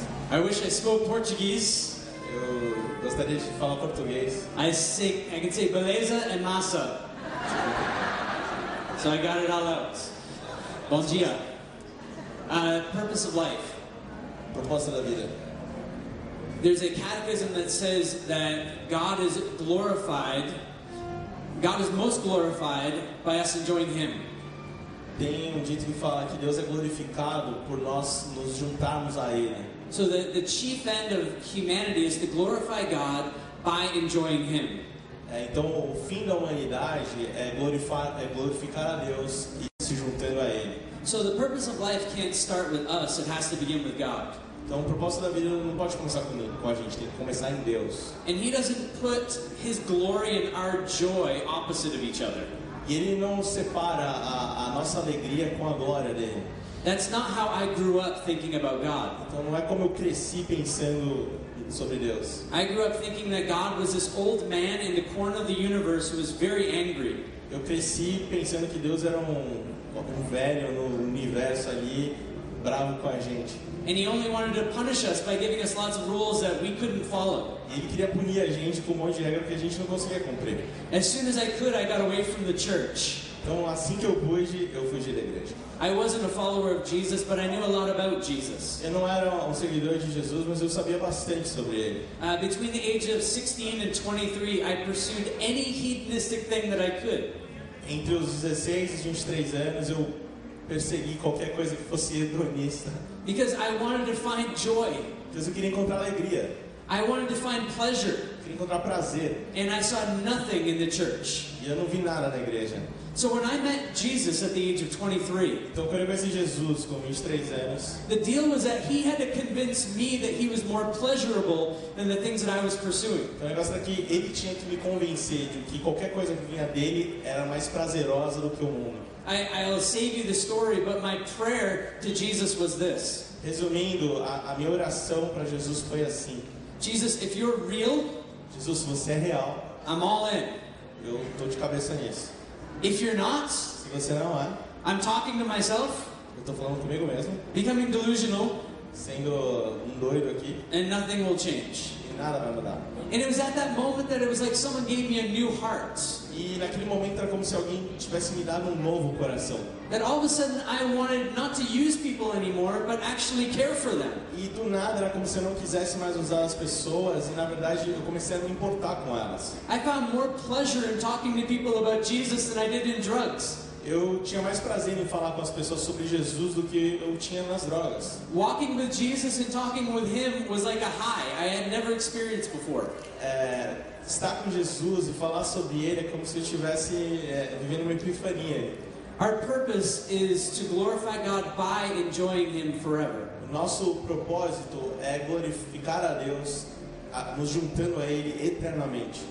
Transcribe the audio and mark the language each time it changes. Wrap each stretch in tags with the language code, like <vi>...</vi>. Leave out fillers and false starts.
<en>I wish I spoke Portuguese.</en> <pt>Eu gostaria de falar português.</pt> <en>I can say beleza and massa. So I got it all out.</en> <pt>Bom dia.</pt> <en>Purpose of life.</en> <pt>Propósito da vida.</pt> <en>There's a catechism that says that God is glorified. God is most glorified by us enjoying Him.</en> <pt>Tem dito que fala que Deus é glorificado por nós nos juntarmos a Ele.</pt> <en>So the chief end of humanity is to glorify God by enjoying Him.</en> <pt>Então o fim da humanidade é glorificar a Deus e se juntando a Ele.</pt> <en>So the purpose of life can't start with us, it has to begin with God.</en> <pt>Então o propósito da vida não pode começar com a gente, tem que começar em Deus.</pt> <en>And He doesn't put His glory and our joy opposite of each other.</en> <pt>E Ele não separa a nossa alegria com a glória dEle.</pt> <en>That's not how I grew up thinking about God.</en> <pt>Então não é como eu cresci pensando sobre Deus.</pt> <en>I grew up thinking that God was this old man in the corner of the universe who was very angry.</en> <pt>Eu cresci pensando que Deus era um velho no universo ali, bravo com a gente.</pt> <en>And He only wanted to punish us by giving us lots of rules that we couldn't follow.</en> <pt>E Ele queria punir a gente com um monte de regras que a gente não conseguia cumprir.</pt> <en>As soon as I could, I got away from the church.</en> <pt>Então assim que eu pude, eu fugi da igreja.</pt> <en>I wasn't a follower of Jesus, but I knew a lot about Jesus.</en> <pt>Eu não era um seguidor de Jesus, mas eu sabia bastante sobre Ele.</pt> <en>Between the age of 16 and 23, I pursued any hedonistic thing that I could.</en> <pt>Entre os 16 e 23 anos, eu persegui qualquer coisa que fosse hedonista.</pt> <en>Because I wanted to find joy.</en> <pt>Porque eu queria encontrar alegria.</pt> <en>I wanted to find pleasure.</en> <pt>Eu queria encontrar prazer.</pt> <en>And I saw nothing in the church.</en> <pt>E eu não vi nada na igreja.</pt> <en>So when I met Jesus at the age of 23,</en> <pt>então, quando eu conheci Jesus com 23 anos,</pt> <en>the deal was that He had to convince me that He was more pleasurable than the things that I was pursuing.</en> <pt>Então, o negócio era que Ele tinha que me convencer de que qualquer coisa que vinha dEle era mais prazerosa do que o mundo.</pt> <en>I'll save you the story, but my prayer to Jesus was this.</en> <pt>Resumindo, a minha oração para Jesus foi assim.</pt> <en>Jesus, if you're real,</en> <pt>Jesus, se você é real,</pt> <en>I'm all in.</en> <pt>Eu tô de cabeça nisso.</pt> <en>If you're not,</en> <pt>se você não é,</pt> <en>I'm talking to myself,</en> <pt>eu tô falando comigo mesmo,</pt> <en>becoming delusional,</en> <pt>sendo doido aqui,</pt> <en>and nothing will change.</en> <pt>E nada vai mudar.</pt> <en>And it was at that moment that it was like someone gave me a new heart.</en> <pt>E naquele momento era como se alguém tivesse me dado novo coração.</pt> <en>That all of a sudden I wanted not to use people anymore, but actually care for them.</en> <pt>E do nada era como se eu não quisesse mais usar as pessoas, e na verdade eu comecei a me importar com elas.</pt> <en>I found more pleasure in talking to people about Jesus than I did in drugs.</en> <pt>Eu tinha mais prazer em falar com as pessoas sobre Jesus do que eu tinha nas drogas.</pt> <en>Walking with Jesus and talking with Him was like a high I had never experienced before.</en> <pt>Estar com Jesus e falar sobre Ele é como se eu estivesse vivendo uma epifania.</pt> <en>Our purpose is to glorify God by enjoying Him forever.</en> <pt>O nosso propósito é glorificar a Deus nos juntando a Ele eternamente.</pt>